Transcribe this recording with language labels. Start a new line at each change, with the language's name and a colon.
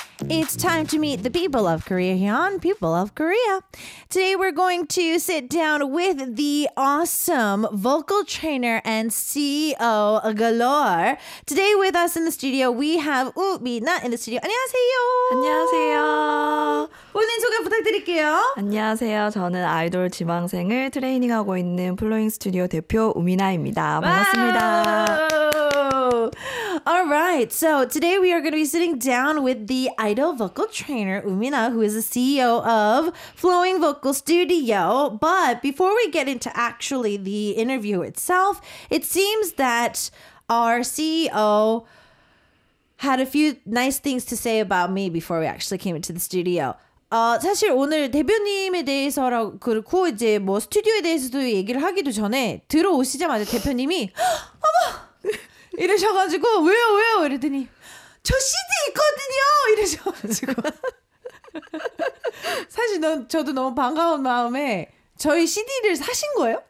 English: it's time to meet the people of Korea here on People of Korea. Today we're going to sit down with the awesome vocal trainer and CEO Galore. Today with us in the studio, we have Ubina in the studio.
Korean: 안녕하세요. 안녕하세요. 본인 소개 부탁드릴게요. 안녕하세요. 저는 아이돌 지망생을 트레이닝하고 있는 플로잉 스튜디오 대표 우미나입니다. 반갑습니다.
English: All right, so today we are going to be sitting down with the idol vocal trainer, Umina, who is the CEO of Flowing Vocal Studio. But before we get into actually the interview itself, it seems that our CEO had a few nice things to say about me before we actually came into the studio.
Korean: 사실 오늘 대표님에 대해서라고 그렇고 이제 뭐 스튜디오에 대해서도 얘기를 하기도 전에 들어오시자마자 대표님이 어머! 이러셔가지고 왜요 왜요 이러더니 저 CD 있거든요 이러셔가지고 사실 저도 너무 반가운 마음에 저희 CD를 사신 거예요?